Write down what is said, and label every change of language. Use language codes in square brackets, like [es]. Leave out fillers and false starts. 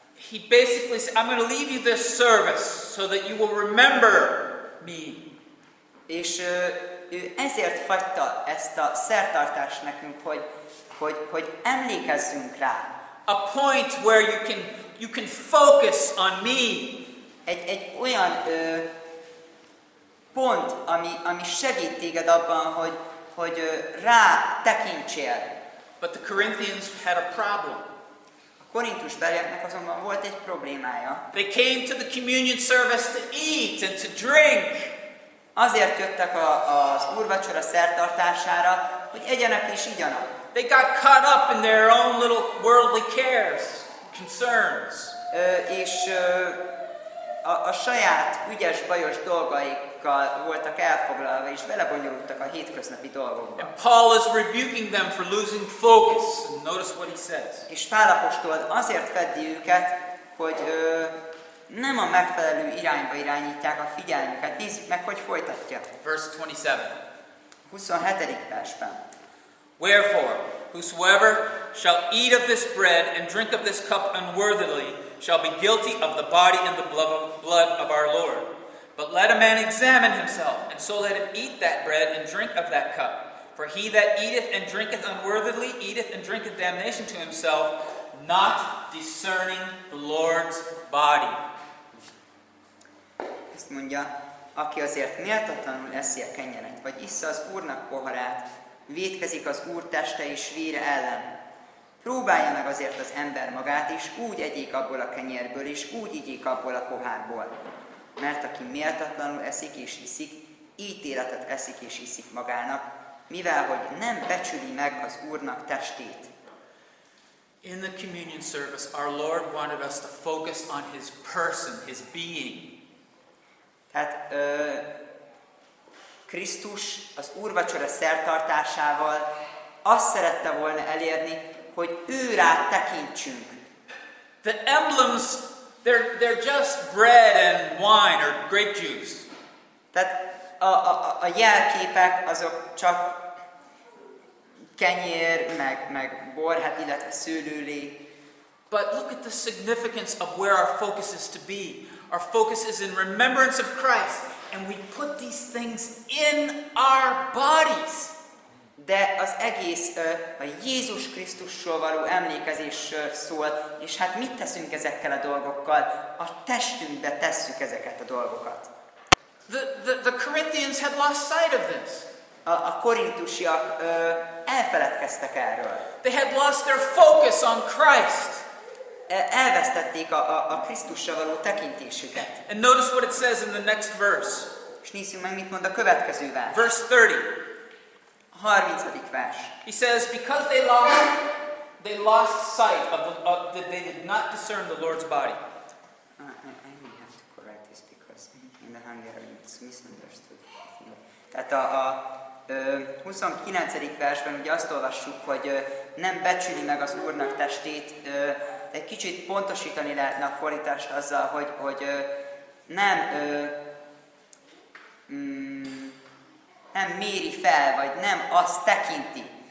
[en] He basically says, "I'm going to leave you this service so that you will remember me." [hu] És ő ezért hagyta ezt a szertartást nekünk, hogy emlékezzünk rá. [en] A point where you can focus on me. [hu] Egy olyan pont, ami segít téged abban, hogy rá tekintsél. [en] But the Corinthians had a problem. [hu] Korintus beliaknak azonban volt egy problémája. [en] They came to the communion service to eat and to drink. [hu] Azért jöttek az úrvacsora szertartására, hogy egyenek és igyanak. [en] They got caught up in their own little worldly cares, concerns. [hu] És a saját ügyes bajos dolgaikkal voltak elfoglalva és belebonyolultak a hétköznapi dolgokba. [en] And Paul is rebuking them for losing focus. And notice what he says. [hu] És Pál apostol azért feddi őket, hogy nem a megfelelő irányba irányítják a figyelmüket. Nézzük meg, hogy folytatja. [en] Verse 27. [hu] 27. versben. [en] Wherefore, whosoever shall eat of this bread and drink of this cup unworthily shall be guilty of the body and the blood of our Lord. But let a man examine himself, and so let him eat that bread and drink of that cup. For he that eateth and drinketh unworthily eateth and drinketh damnation to himself, not discerning the Lord's body. [hu] Ezt mondja, aki azért méltatlanul eszi a kenyeret, vagy issza az Úrnak poharát, vétkezik az Úr teste és vére ellen. Próbálja meg azért az ember magát, és úgy egyék abból a kenyérből, és úgy igyék abból a pohárból. Mert aki méltatlanul eszik és iszik, ítéletet eszik és iszik magának, mivel hogy nem becsüli meg az Úrnak testét. [en] In the communion service, our Lord wanted us to focus on his person, his being. [hu] Tehát Krisztus az úrvacsora szertartásával azt szerette volna elérni, hogy ő rá tekintsünk. [en] The emblems, they're just bread and wine or grape juice. [hu] Tehát a jelképek azok csak kenyér, meg bor, hát illetve szőlőlé. [en] But look at the significance of where our focus is to be. Our focus is in remembrance of Christ, and we put these things in our bodies. [hu] De az egész a Jézus Krisztussal való emlékezésről szól, és hát mit teszünk ezekkel a dolgokkal? A testünkbe tesszük ezeket a dolgokat. [en] The Corinthians had lost sight of this. [hu] A korintusiak elfeledkeztek erről. [en] They had lost their focus on Christ. [hu] Elvesztették a Krisztussal való tekintésüket. [en] And notice what it says in the next verse. [hu] És nézzük meg, mit mond a következő vers. [en] Verse 30. [hu] A 30. vers. [en] He says, because they lost sight of the, that they did not discern the Lord's body. I have to correct this because in the Hungarian it's misunderstood. [hu] Tehát a 29. versben ugye azt olvassuk, hogy nem becsüli meg az Úrnak testét, de egy kicsit pontosítani lehetne a fordítást azzal, hogy nem nem méri fel, vagy nem azt tekinti.